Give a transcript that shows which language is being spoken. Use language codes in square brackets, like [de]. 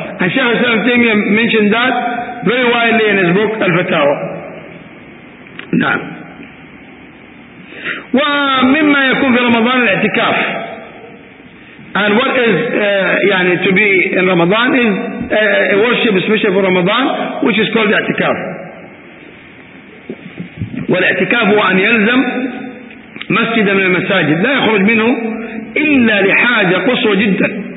[en] الشيخ الإسلام ابن تيمية mentioned that very widely in his book الفتاوى. [ar] نعم. ومما يكون في رمضان الاعتكاف. [en] And what is [ar] يعني [en] to be in Ramadan is a worship especially for Ramadan, which is called اعتكاف. [ar] والاعتكاف هو أن يلزم مسجد من المساجد لا يخرج منه إلا لحاجة قصوى جدا.